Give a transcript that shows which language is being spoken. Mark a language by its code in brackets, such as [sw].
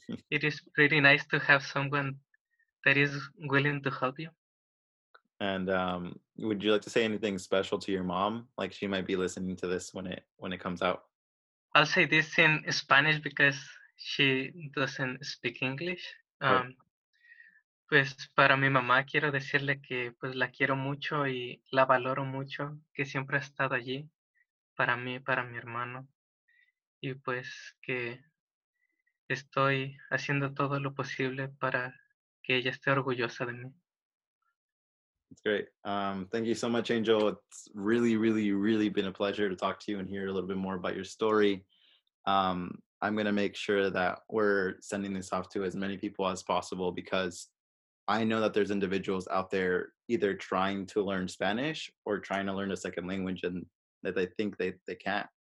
[en] It is pretty nice to have someone that is willing to help you. And would you like to say anything special to your mom? Like, she might be listening to this when it comes out. I'll say this in Spanish because she doesn't speak English. [es] Pues para mi mamá quiero decirle que pues la quiero mucho y la valoro mucho, que siempre ha estado allí para mí, para mi hermano. Y pues que estoy haciendo todo lo posible para que ella esté orgullosa de mí. [en] That's great. Thank you so much, Angel. It's really, really, really been a pleasure to talk to you and hear a little bit more about your story. I'm going to make sure that we're sending this off to as many people as possible, because I know that there's individuals out there either trying to learn Spanish or trying to learn a second language and that they think they can't.